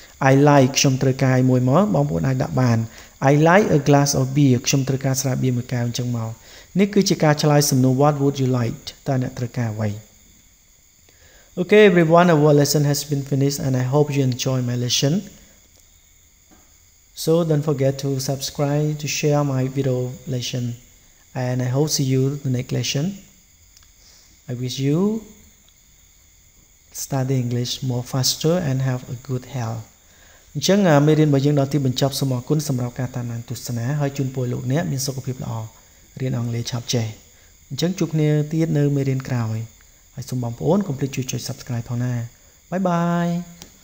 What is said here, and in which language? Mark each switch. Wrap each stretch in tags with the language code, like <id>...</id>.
<en>I like</en> <km>ខ្ញុំត្រូវការមួយមកបងប្អូនអាចដាក់បាន</km> <en>I like a glass of beer</en> <km>ខ្ញុំត្រូវការស្រាបៀរមួយកែវអញ្ចឹងមកនេះគឺជាការឆ្លើយសំណួរ</km> <en>what would you like</en> <km>តើអ្នកត្រូវការអ្វី</km> <en>Okay, everyone, our lesson has been finished, and I hope you enjoy my lesson. So don't forget to subscribe to share my video lesson, and I hope to see you in the next lesson. I wish you study English more faster and have a good health.</en> <km>អញ្ចឹងមេរៀនរបស់យើងដល់ទីបញ្ចប់សូមអរគុណសម្រាប់ការតាមដានទស្សនាហើយជូនពរលោកអ្នកមានសុខភាពល្អរៀនអង់គ្លេសឆាប់ចេះអញ្ចឹងជួបគ្នាទៀតនៅមេរៀនក្រោយហើយសូមបងប្អូនកុំភ្លេចជួយចុច Subscribe ផងណា</km> <en>Bye bye</en>